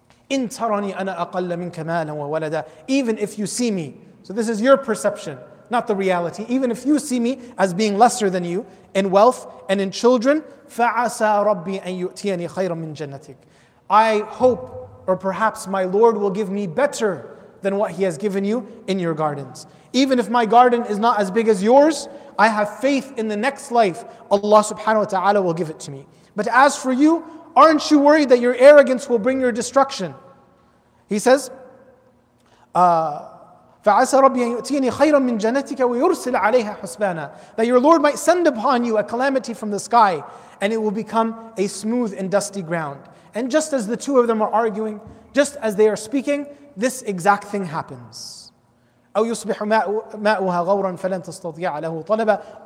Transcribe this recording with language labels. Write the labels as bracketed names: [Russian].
[Arabic] إِن تَرَنِي أَنَا أَقَلَّ مِنْكَ مَالًا وَوَلَدًا. [English] Even if you see me, so this is your perception, not the reality, even if you see me as being lesser than you in wealth and in children, [Arabic] فَعَسَى رَبِّي أَن يُؤْتِيَنِي خَيْرًا مِنْ جَنَّتِكَ. [English] I hope, or perhaps my Lord will give me better than what He has given you in your gardens. Even if my garden is not as big as yours, I have faith in the next life, Allah subhanahu wa ta'ala will give it to me. But as for you, aren't you worried that your arrogance will bring your destruction? He says, [Arabic] فَعَسَى رَبِّي أَن يُؤْتِينِي خَيْرًا مِنْ جَنَّتِكَ وَيُرْسِلَ عَلَيْهَا حُسْبَانًا. [English] That your Lord might send upon you a calamity from the sky, and it will become a smooth and dusty ground. And just as the two of them are arguing, just as they are speaking, this exact thing happens. [Arabic] أَوْ يُصْبِحُ مَاءُهَا غَوْرًا فَلَنْ تَسْتَطِيعَ لَهُ طَلَبًا.